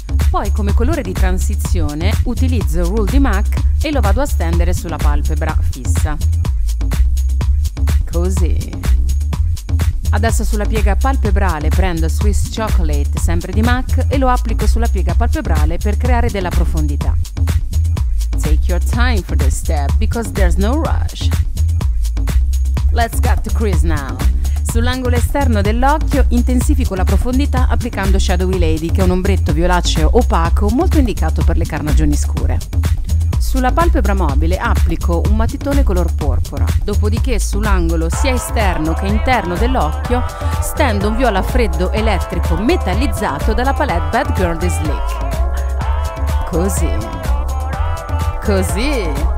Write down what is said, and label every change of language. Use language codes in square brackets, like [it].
[it] Poi, come colore di transizione, utilizzo il rule di MAC e lo vado a stendere sulla palpebra fissa. Così. Adesso sulla piega palpebrale prendo Swiss Chocolate, sempre di MAC, e lo applico sulla piega palpebrale per creare della profondità. [en] Take your time for this step, because there's no rush. Let's get to Chris now. [it] Sull'angolo esterno dell'occhio intensifico la profondità applicando Shadowy Lady, che è un ombretto violaceo opaco molto indicato per le carnagioni scure. Sulla palpebra mobile applico un matitone color porpora, dopodiché sull'angolo sia esterno che interno dell'occhio stendo un viola freddo elettrico metallizzato dalla palette Bad Girl di Slick. Così. Così.